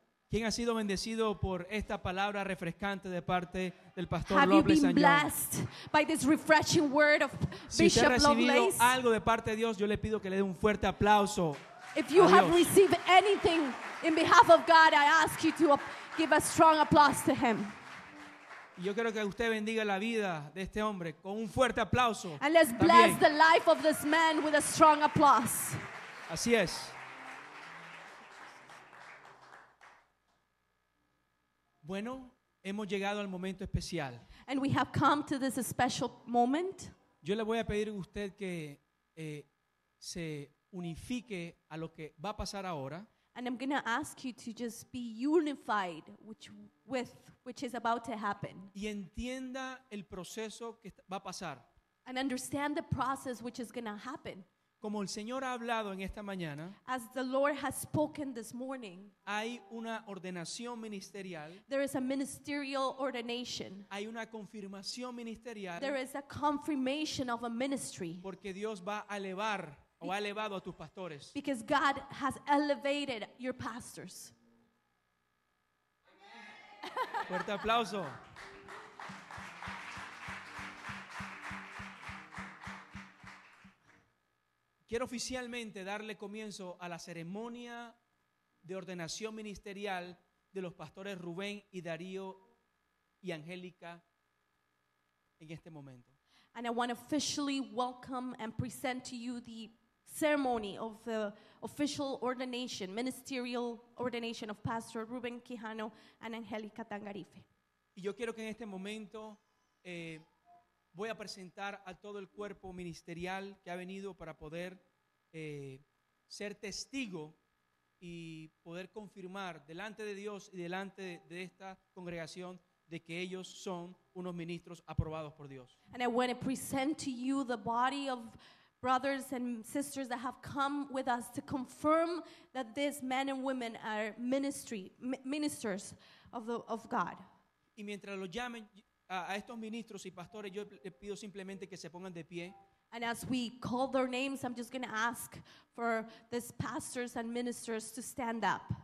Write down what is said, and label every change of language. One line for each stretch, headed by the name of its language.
Spanish: ¿Quién ha sido bendecido por esta palabra refrescante de parte del pastor Lovelace?
English: Have you been blessed by this refreshing word of Bishop Lovelace?
Spanish: Si usted ha recibido algo de parte de Dios, yo le pido que le dé un fuerte aplauso.
English: If you have received anything in behalf of God, I ask you to give a strong applause to him.
Spanish: Yo quiero que usted bendiga la vida de este hombre con un fuerte aplauso.
English: And let's bless the life of this man with a strong applause.
Spanish: Así es. Bueno, hemos llegado al momento especial.
English: And we have come to this special moment.
Spanish: Yo le voy a pedir a usted que se unifique a lo que va a pasar ahora.
English: And I'm going to ask you to just be unified which is about to happen.
Spanish: Y entienda el proceso que va a pasar.
English: And understand the process which is going to happen.
Spanish: Como el Señor ha hablado en esta mañana,
English: as the Lord has spoken this morning,
Spanish: hay una ordenación ministerial,
English: there is a ministerial ordination,
Spanish: hay una confirmación ministerial,
English: there is a confirmation of a ministry,
Spanish: porque Dios va a elevar o ha elevado a tus pastores,
English: because God has elevated your pastors.
Spanish: Fuerte aplauso. Quiero oficialmente darle comienzo a la ceremonia de ordenación ministerial de los pastores Rubén y Darío y Angélica en este momento.
English: And I want to officially welcome and present to you the ceremony of the official ordination, ministerial ordination of Pastor Rubén Quijano and Angélica Tangarife.
Spanish: Y yo quiero que en este momento voy a presentar a todo el cuerpo ministerial que ha venido para poder ser testigo y poder confirmar delante de Dios y delante de esta congregación de que ellos son unos ministros aprobados por Dios.
English: And I want to present to you the body of brothers and sisters that have come with us to confirm that these men and women are ministers of God.
Spanish: Y mientras los llamen a estos ministros y pastores, yo les pido simplemente que se pongan de pie.
English: And as we call their names, I'm just going to ask for these pastors and ministers to stand up.